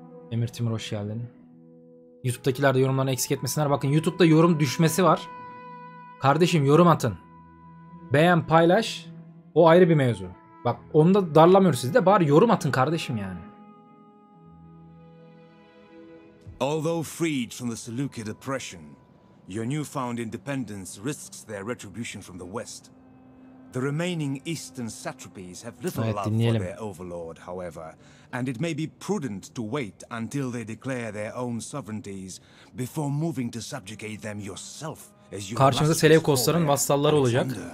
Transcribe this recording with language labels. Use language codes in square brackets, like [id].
[tr] Emir Timur hoş geldin. YouTube'dakiler de yorumlarını eksik etmesinler. Bakın YouTube'da yorum düşmesi var. Kardeşim yorum atın. Beğen, paylaş. O ayrı bir mevzu. Bak onu da darlamıyoruz siz de. Bari yorum atın kardeşim yani. [en] Although freed from the Seleucid oppression, your newfound independence risks their retribution from the west. The remaining eastern satrapies have little love for their overlord, however, and it may be prudent to wait until they declare their own sovereignties before moving to subjugate them yourself, as you [tr] karşımızda Seleukosların vasalları olacak.